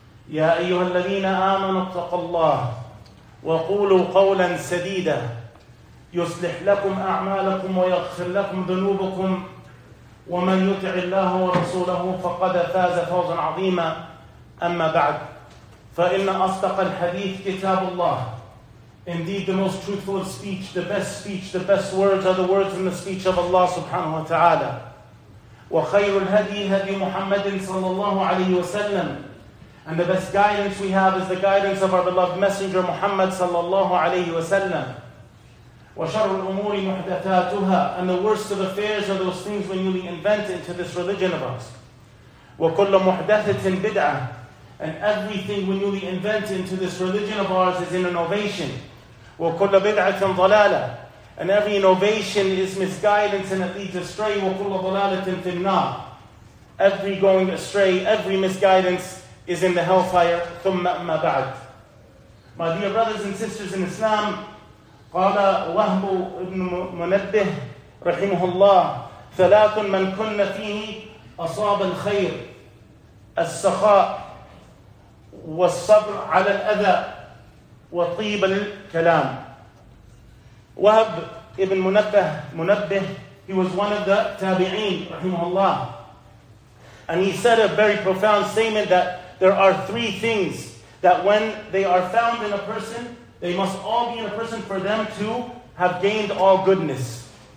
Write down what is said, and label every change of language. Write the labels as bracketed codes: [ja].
[ar] يا أيها الذين آمنوا اتقوا الله وقولوا قولا سديدا يصلح لكم أعمالكم ويغفر لكم ذنوبكم ومن يطع الله ورسوله فقد فاز فوزا عظيما أما بعد فإن أصدق الحديث كتاب الله. [en] Indeed, the most truthful speech, the best words are the words from the speech of Allah subhanahu wa ta'ala. [ar] وَخَيْرُ الْهَدِي هَدِي مُحَمَّدٍ صَلَّى اللَّهُ عَلَيْهِ وَسَلَّمُ. [en] And the best guidance we have is the guidance of our beloved messenger Muhammad [ar] صَلَّى اللَّهُ عَلَيْهِ وَسَلَّمُ. وَشَرُّ الْأُمُورِ مُحْدَثَاتُهَا. [en] And the worst of affairs are those things when newly invented into this religion of us. [ar] وَكُلَّ مُحْدَثَةٍ بِدْعَةٍ. [en] And everything we newly invent into this religion of ours is an innovation. [ar] وَكُلَّ بِدْعَةٍ ضَلَالَةٍ. [en] And every innovation is misguidance and it leads astray. [ar] وَكُلَّ ضَلَالَةٍ فِي النَّارِ. [en] Every going astray, every misguidance is in the hellfire. [ar] ثُمَّ أَمَّا بَعْدٍ. [en] My dear brothers and sisters in Islam, [ar] قَالَ وَهْبُ ابْنُ مُنَبِّهِ رَحِمُهُ اللَّهِ ثَلَاثٌ مَنْ كُنَّ فِيهِ أَصَابَ الْخَيْرِ السَّخَاءِ وَالصَّبْرُ عَلَى الْأَذَى وَطِيبَ الْكَلَامِ. [en] Wahb ibn Munabbih, he was one of the tabi'een, rahimahullah. And he said a very profound statement that there are three things that when they are found in a person, they must all be in a person for them to have gained all goodness.